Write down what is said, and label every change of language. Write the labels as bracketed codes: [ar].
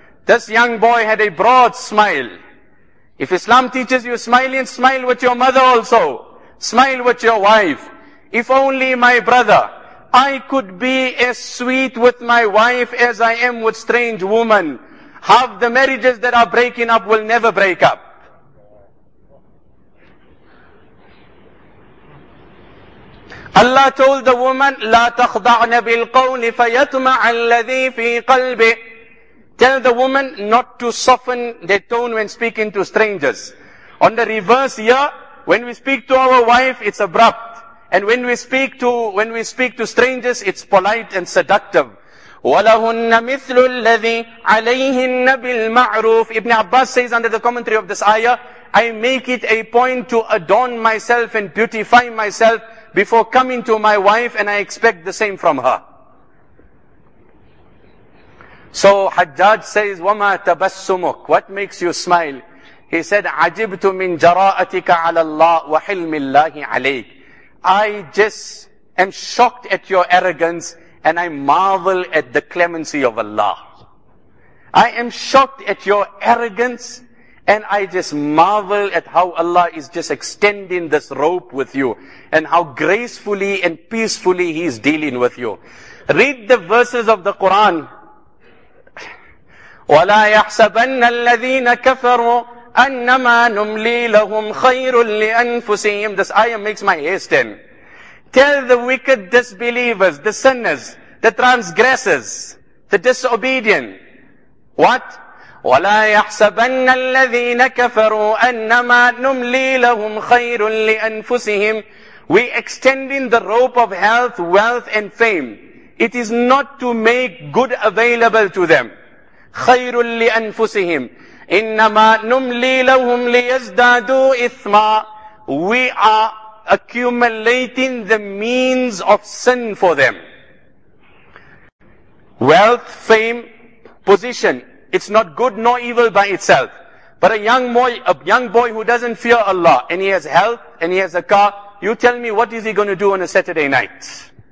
[en] This young boy had a broad smile. If Islam teaches you smiling, smile with your mother also. Smile with your wife. If only, my brother, I could be as sweet with my wife as I am with strange woman. Half the marriages that are breaking up will never break up. Allah told the woman, [ar] لا تخضعن بالقول فيطمع الذي في قلبه. [en] Tell the woman not to soften their tone when speaking to strangers. On the reverse here, when we speak to our wife, it's abrupt. And when we speak to strangers, it's polite and seductive. [ar] وَلَهُنَّ مِثْلُ الَّذِي عَلَيْهِنَّ بِالْمَعْرُوفِ. [en] Ibn Abbas says under the commentary of this ayah, I make it a point to adorn myself and beautify myself before coming to my wife, and I expect the same from her. So Hajjaj says, [ar] وَمَا تَبَسُّمُكَ. [en] What makes you smile? He said, [ar] عَجِبْتُ مِنْ جَرَاءَتِكَ عَلَى اللَّهِ وَحِلْمِ اللَّهِ عَلَيْكَ. [en] I just am shocked at your arrogance and I marvel at the clemency of Allah. I am shocked at your arrogance and I just marvel at how Allah is just extending this rope with you and how gracefully and peacefully He is dealing with you. Read the verses of the Quran. [ar] وَلَا يَحْسَبَنَّ الَّذِينَ كَفَرُوا أَنَّمَا نُمْلِي لَهُمْ خَيْرٌ لِأَنفُسِهِمْ. [en] This ayah makes my hair stand. Tell the wicked disbelievers, the sinners, the transgressors, the disobedient. What? [ar] وَلَا يَحْسَبَنَّ الَّذِينَ كَفَرُوا أَنَّمَا نُمْلِي لَهُمْ خَيْرٌ لِأَنفُسِهِمْ. [en] We extending the rope of health, wealth and fame. It is not to make good available to them. [ar] خَيْرٌ لِأَنفُسِهِمْ. انما نملي لهم ليزدادوا اثما. [en] We are accumulating the means of sin for them. Wealth, fame, position, it's not good nor evil by itself. But a young boy who doesn't fear Allah, and he has health, and he has a car, you tell me, what is he going to do on a Saturday night?